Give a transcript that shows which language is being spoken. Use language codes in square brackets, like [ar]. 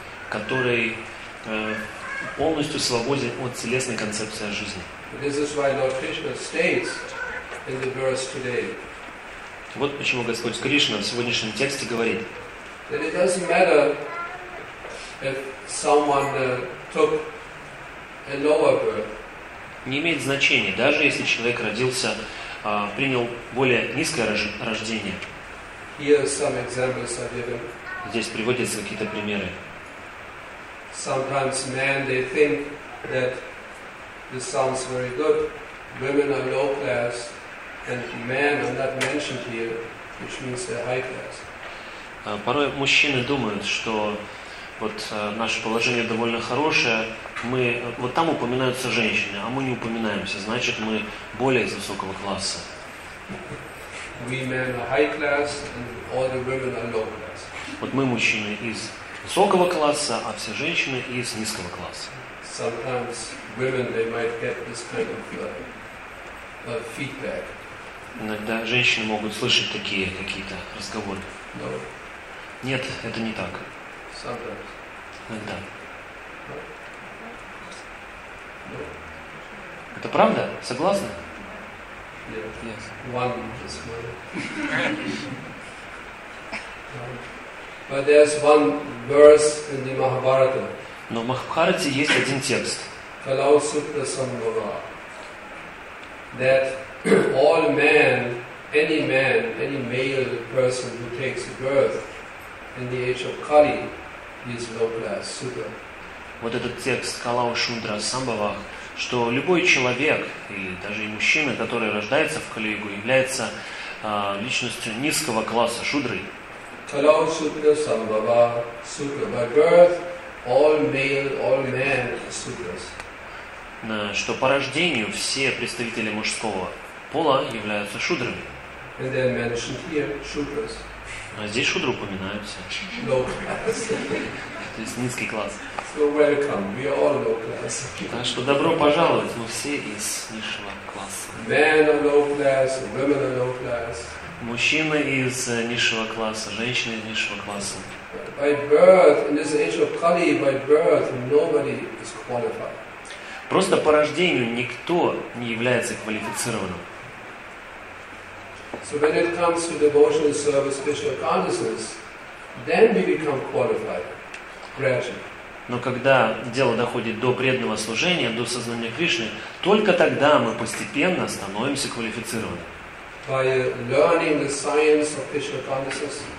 [ru] Который полностью свободен от телесной концепции о жизни. [en] This is why Lord Krishna states in the verse today. [ru] Вот почему Господь Кришна в сегодняшнем тексте говорит. [en] That it doesn't matter if someone took a lower birth. [ru] Не имеет значения, даже если человек родился, принял более низкое рождение. [en] Here some examples are given. [ru] Здесь приводятся какие-то примеры. [en] Sometimes men they think that this sounds very good. Women are low class, and men are not mentioned here, which means they're high class. [ru] Порой мужчины думают, что вот наше положение довольно хорошее. Мы вот там упоминаются женщины, а мы не упоминаемся. Значит, мы более из высокого класса. [en] We men are high class, and all the women are low class. [ru] Вот мы мужчины из высокого класса, а все женщины из низкого класса. [en] Sometimes women they might get this kind of feedback. [ru] Иногда женщины могут слышать такие какие-то разговоры. [en] No. [ru] Нет, это не так. [en] Sometimes. [ru] Иногда. [en] No. [ru] Это правда? Согласны? [en] Yes. One is But there's one verse in the Mahabharata. [ru] Но в Махабхарате есть один текст. Kalau Sutta Samvara. [en] That all man, any male person who takes birth in the age of Kali is low class sutra. [ru] Вот этот текст Kalau Sutta Samvara, что любой человек, и даже и мужчина, который рождается в Кали-югу, является личностью низкого класса шудры. [en] Kalau Sutta Samvara sutra by birth. All male, all men, sutras. [ru] что по рождению все представители мужского пола являются шудрами. А здесь шудры упоминаются. То есть низкий класс. Так что добро пожаловать, мы все из низшего класса. Мужчины из низшего класса, женщины из низшего класса. [en] By birth, in this age of Kali, by birth, nobody is qualified. [ru] Просто по рождению никто не является квалифицированным. [en] So when it comes to devotional service, Krishna consciousness, then we become qualified, gradually. [ru] Но когда дело доходит до преданного служения, до сознания Кришны, только тогда мы постепенно становимся квалифицированными.